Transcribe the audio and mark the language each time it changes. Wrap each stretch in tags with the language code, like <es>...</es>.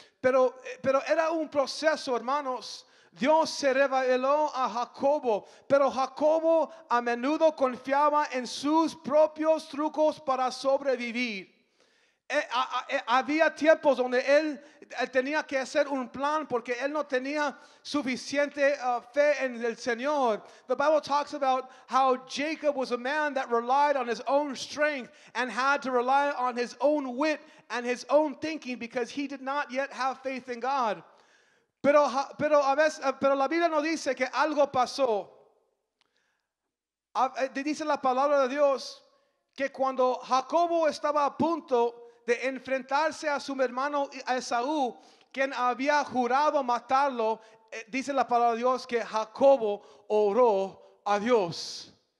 <es>Pero era un proceso, hermanos. Dios se reveló a Jacobo, pero Jacobo a menudo confiaba en sus propios trucos para sobrevivir. Había tiempos donde él tenía que hacer un plan porque él no tenía suficiente fe en el Señor.</es> <en>The Bible talks about how Jacob was a man that relied on his own strength and had to rely on his own wit and his own thinking because he did not yet have faith in God.</en> <es>Pero la Biblia nos dice que algo pasó. Dice la palabra de Dios que cuando Jacobo estaba a punto de enfrentarse a su hermano Esaú, quien había jurado matarlo, dice la palabra de Dios que Jacobo oró a Dios.</es>